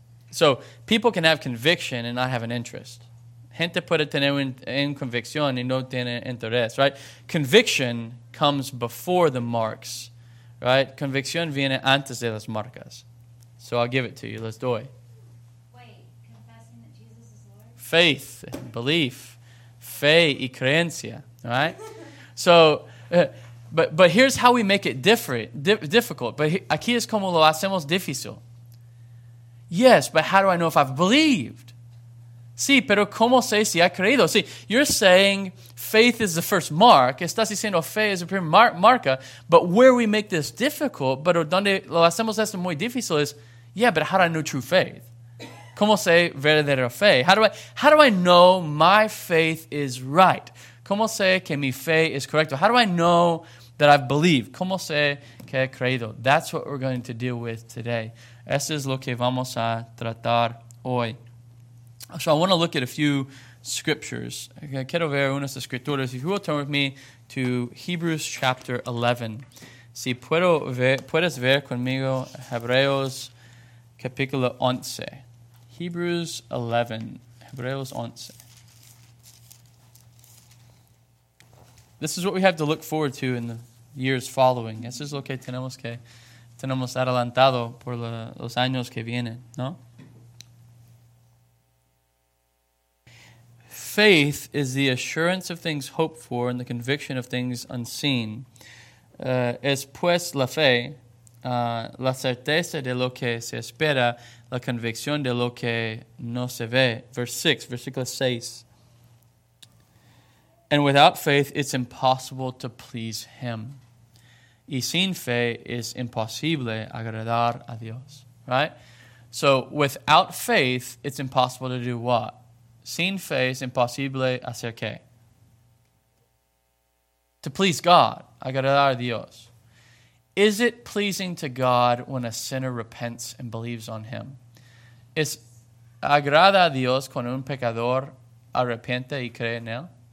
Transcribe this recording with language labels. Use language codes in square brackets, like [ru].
[en] So people can have conviction and not have an interest. [es] Gente puede tener en convicción y no tener interés, right? [en] Conviction comes before the marks, right? [es] Convicción viene antes de las marcas. [en] So I'll give it to you. Let's do it. Wait, confessing that Jesus is Lord? Faith, belief, [es] fe y creencia, [en] right? So, but here's how we make it difficult. [es] But aquí es como lo hacemos difícil. [en] Yes, but how do I know if I've believed? [es] Sí, pero ¿cómo sé si ha creído? [en] Sí, you're saying faith is the first mark. [es] Estás diciendo fe es la primera marca. [en] But where we make this difficult, [es] pero donde lo hacemos esto muy difícil es, [en] yeah, but how do I know true faith? [es] ¿Cómo sé verdadera fe? [en] How do I know my faith is right? [es] ¿Cómo sé que mi fe es correcta? [en] How do I know that I've believed? [es] ¿Cómo sé que he creído? [en] That's what we're going to deal with today. [es] Eso es lo que vamos a tratar hoy. [en] So I want to look at a few scriptures. [es] Quiero ver unas escrituras. [en] If you will turn with me to Hebrews chapter 11. [es] Si puedo ver, puedes ver conmigo Hebreos capítulo 11. [en] Hebrews 11. Hebreos 11. This is what we have to look forward to in the years following. [es] Eso es lo que tenemos adelantado por los años que vienen, ¿no? [en] Faith is the assurance of things hoped for and the conviction of things unseen. [es] Es pues la fe, la certeza de lo que se espera, la convicción de lo que no se ve. Versículo 6. [en] And without faith, it's impossible to please Him. [es] Y sin fe, es imposible agradar a Dios. Right? [en] So, without faith, it's impossible to do what? [es] Sin fe, es imposible hacer qué? [en] To please God, [es] agradar a Dios. [en] Is it pleasing to God when a sinner repents and believes on Him? [es] ¿Es agrada a Dios cuando un pecador arrepiente y cree en Él?